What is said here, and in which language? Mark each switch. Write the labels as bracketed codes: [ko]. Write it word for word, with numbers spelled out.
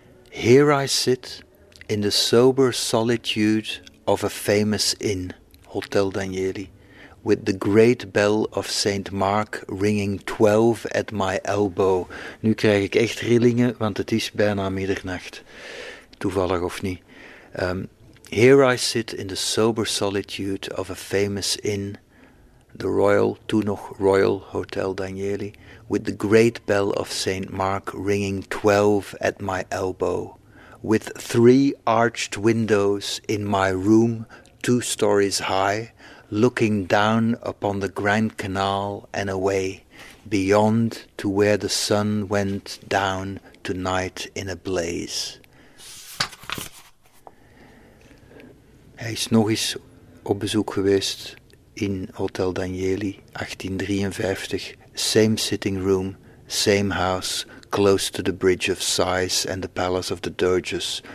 [en] Here I sit in the sober solitude of a famous inn, Hotel Danieli, with the great bell of Saint Mark ringing twelve at my elbow. [nl] Nu krijg ik echt rillingen, want het is bijna middernacht. Toevallig of niet. [en] Um, Here I sit in the sober solitude of a famous inn, the Royal, [nl] toen nog [en] Royal Hotel Danieli, with the great bell of Saint Mark ringing twelve at my elbow, with three arched windows in my room, two stories high, looking down upon the Grand Canal and away, beyond to where the sun went down tonight in a blaze. [nl] Hij is nog eens op bezoek geweest in Hotel Danieli, achttien drieënvijftig. [en] Same sitting room, same house, close to the Bridge of Sighs and the Palace of the Doges.